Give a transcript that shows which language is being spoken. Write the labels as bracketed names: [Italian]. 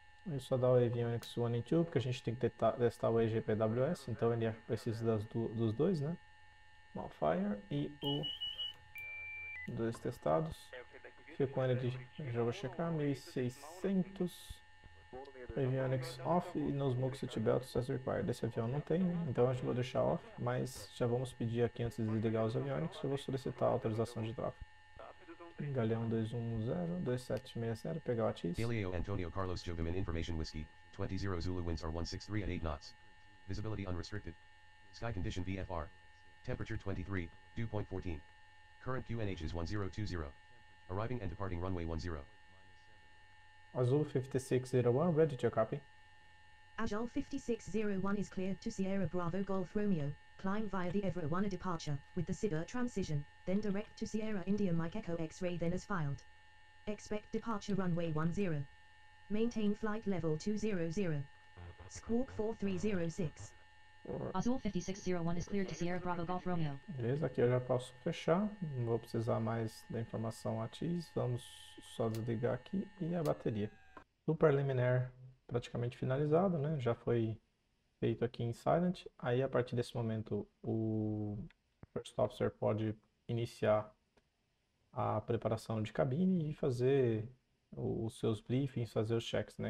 [Portuguese] Aí só dá o Avionics 1 e 2, porque a gente tem que testar o EGPWS, então ele precisa dos dois, né? Malfire e dois testados. Fuel Quantity já vou checar, 1600. [English] Avionics off e no smoke seat belts as required. [Portuguese] Esse avião não tem, então a gente vai deixar off, mas já vamos pedir aqui antes de ligar os avionics, eu vou solicitar a autorização de tráfego. Galeão 210, 2760, pegar o ATIS. [English] Galileo Antonio Carlos Jovimin Information Whiskey, 20 Zulu winds are 163 at 8 knots. Visibility unrestricted. Sky condition VFR. Temperature 23, dew point 14. Current QNH is 1020. Arriving and departing runway 10. Azul 5601, ready to copy. Azul 5601 is clear to Sierra Bravo Golf Romeo. Climb via the Evra 1 departure, with the SIBR transition, then direct to Sierra India Mike Echo X-ray then as filed. Expect departure runway 10. Maintain flight level 200. Squawk 4306. Azul 5601 is cleared to Sierra Bravo Golf Romeo. [Portuguese] Beleza, aqui eu já posso fechar. Não vou precisar mais da informação ATIS. Vamos só desligar aqui e a bateria. Super liminar praticamente finalizado, né? Já foi feito aqui em Silent. Aí a partir desse momento o First Officer pode iniciar a preparação de cabine e fazer os seus briefings, fazer os checks, né?